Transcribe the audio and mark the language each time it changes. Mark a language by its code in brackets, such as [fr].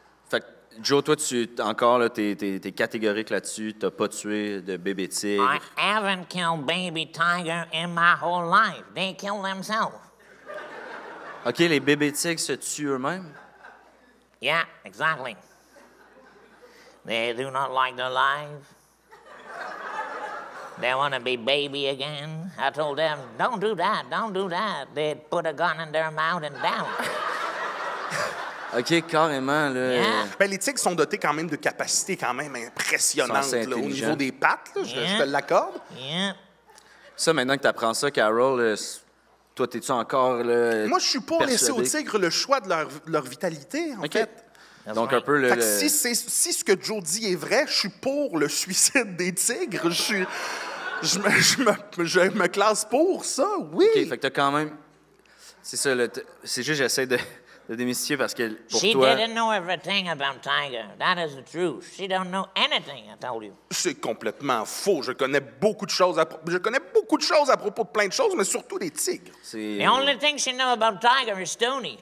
[fr] Fait que, Joe, toi, t'es catégorique là-dessus. T'as pas tué de bébé tigre. [en] I haven't killed baby tiger in my whole life. They killed themselves. [fr] OK, les bébés tigres se tuent eux-mêmes? [en] Yeah, exactly. They do not like their life. They want to be baby again. I told them, don't do that, don't do that. They put a gun in their mouth and down. [fr] OK, carrément, là. [en] Yeah. [fr] Ben, les tigres sont dotés quand même de capacités quand même impressionnantes, là, au niveau des pattes, là, je te l'accorde. [en] Yeah. [fr] Ça, maintenant que tu apprends ça, Carol, toi, t'es-tu encore là? Moi, je suis pas laissé aux tigres le choix de leur vitalité, en fait. Donc, un peu le. Si ce que Joe dit est vrai, je suis pour le suicide des tigres. Je me classe pour ça, oui. OK, fait que t'as quand même. C'est ça, c'est juste que j'essaie de démystifier parce que. [en] She didn't know everything about tiger. That is the truth. She don't know anything, I told you. [fr] C'est complètement faux. Je connais beaucoup de choses à propos de plein de choses, mais surtout des tigres. [en] The only thing she knows about tiger is Tony.